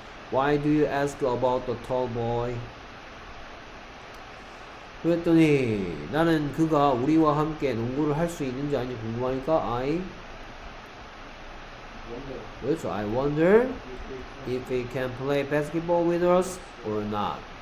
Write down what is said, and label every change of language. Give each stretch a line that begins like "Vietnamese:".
English: Why do you ask about the tall boy?
Korean: 그랬더니 나는 그가 우리와 함께 농구를 할 수 있는지 아닌지 궁금하니까
English: I wonder.
Korean: 그렇죠.
English: I wonder if he can play basketball with us or not.